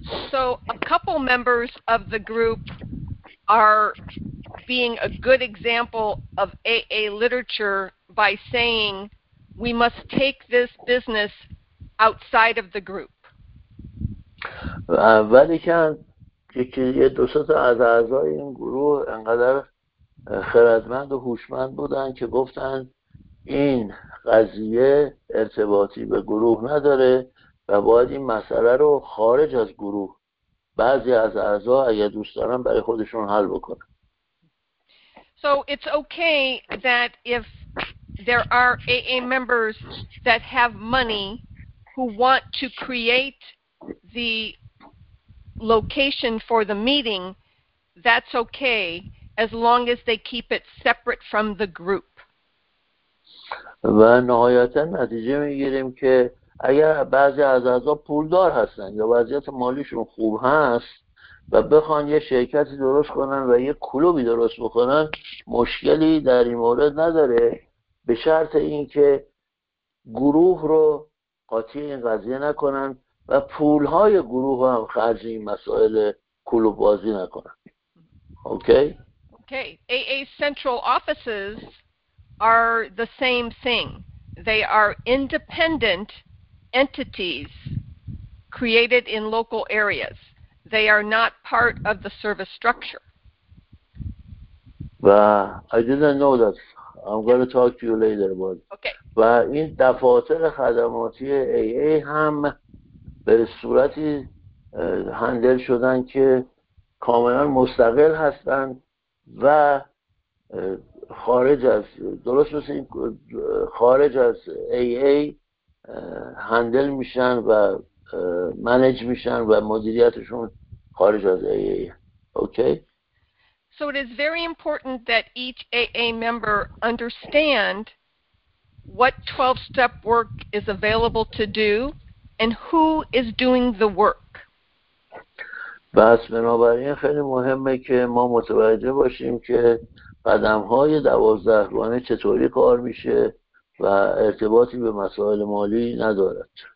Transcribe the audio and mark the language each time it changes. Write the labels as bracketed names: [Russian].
[English] So a couple members of the group are being a good example of AA literature by saying we must take this business outside of the group. [Persian] ولی که یه دو سه تا از اعضای این گروه انقدر خردمند و هوشمند بودن که گفتن این قضیه ارتباطی به گروه نداره و باید این مسئله رو خارج از گروه بعضی از اعضا اگر دوست دارن برای خودشون حل بکنن. [English] So it's okay that if there are AA members that have money who want to create the location for the meeting, that's okay as long as they keep it separate from the group. [Persian] و نهایتا نتیجه میگیریم که اگر بعضی از اعضا پولدار هستن یا وضعیت مالیشون خوب هست و بخوان یه شرکتی درست کنن و یه کلوبی درست بکنن مشکلی در این مورد نداره به شرط اینکه گروه رو قاطی این قضیه نکنن و پولهای گروه هم خرج این مسائل کلوب بازی نکنن. اوکی؟ [English] Okay. AA Central Offices are the same thing. They are independent entities created in local areas. They are not part of the service structure. I didn't know that. I'm going to talk to you later about it. Okay. [Persian] و این دفاتر خدماتی AA هم به صورتی هندل شدن که کاملا مستقل هستند و خارج از درست مثل این خارج از AA هندل میشن و منیج میشن و مدیریتشون خارج از AA. [English] Okay. So it is very important that each AA member understand what 12-step work is available to do and who is doing the work. [Persian] بس بنابراین خیلی مهمه که ما متوجه باشیم که قدم‌های 12-گانه چطوری کار میشه و ارتباطی به مسائل مالی ندارد.